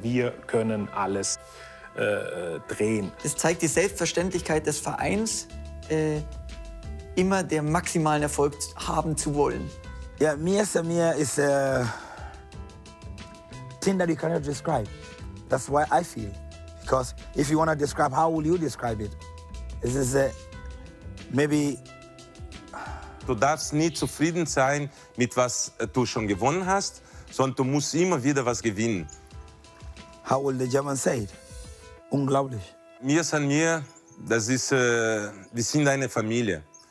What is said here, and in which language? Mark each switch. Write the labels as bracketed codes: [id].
[de] Wir können alles drehen. Das zeigt die Selbstverständlichkeit des Vereins, immer den maximalen Erfolg haben zu wollen. Ja, mir ist Kinder, die kann ich beschreiben. [en] That's why I feel. Because if you want to describe, how will you describe it? Is this maybe... [de] Du darfst nie zufrieden sein mit was du schon gewonnen hast, sondern du musst immer wieder was gewinnen. [en] How will the German say it? Unglaublich. [de] Mir san mir, das ist, wir sind eine Familie.